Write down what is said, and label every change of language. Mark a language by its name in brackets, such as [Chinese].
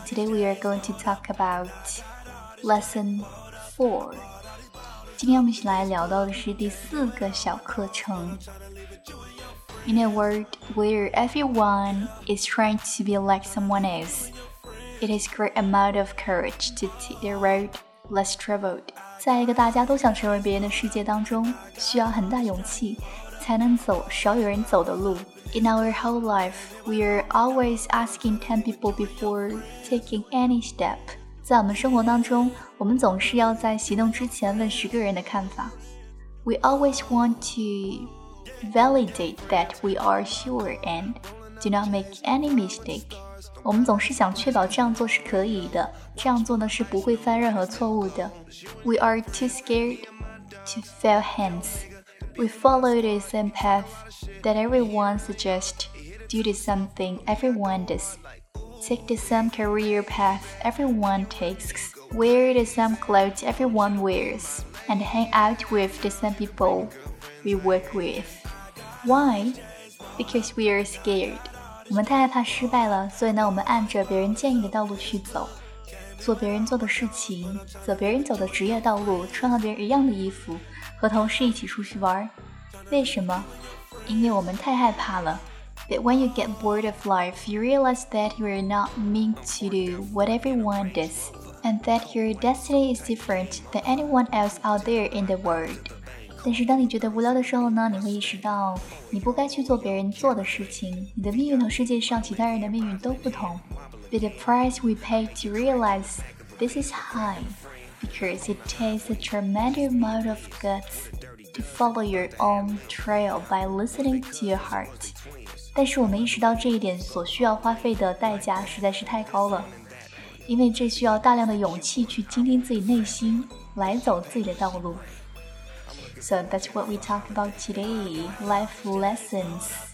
[English] Today we are going to talk about lesson 4. [Chinese] 今天我们一起来聊到的是第四个小课程。 [English] In a world where everyone is trying to be like someone else, it is a great amount of courage to take the road less traveled. [Chinese] 在一个大家都想成为别人的世界当中，需要很大勇气才能走少有人走的路。 [English] In our whole life, we are always asking 10 people before taking any step. [Chinese] 在我们生活当中，我们总是要在行动之前问十个人的看法。 [English] We always want to validate that we are sure and do not make any mistake. [Chinese] 我们总是想确保这样做是可以的，这样做呢是不会犯任何错误的。 [English] We are too scared to fail hence. We follow the same path that everyone suggests. Do the same thing everyone does. Take the same career path everyone takes. Wear the same clothes everyone wears. And hang out with the same people we work with. Why? Because we are scared. [Chinese] 我们太害怕失败了，所以呢，我们按着别人建议的道路去走，做别人做的事情，走别人走的职业道路，穿和别人一样的衣服，和同事一起出去玩。为什么？因为我们太害怕了。 [English] But when you get bored of life, you realize that you are not meant to do what everyone does, and that your destiny is different than anyone else out there in the world. [Chinese] 但是当你觉得无聊的时候呢，你会意识到你不该去做别人做的事情，你的命运和世界上其他人的命运都不同。 [English] But the price we pay to realize this is high, because it takes a tremendous amount of guts to follow your own trail by listening to your heart. [Chinese] 但是我们意识到这一点所需要花费的代价实在是太高了，因为这需要大量的勇气去倾听自己内心，来走自己的道路。 [English] So that's what we talk about today, life lessons.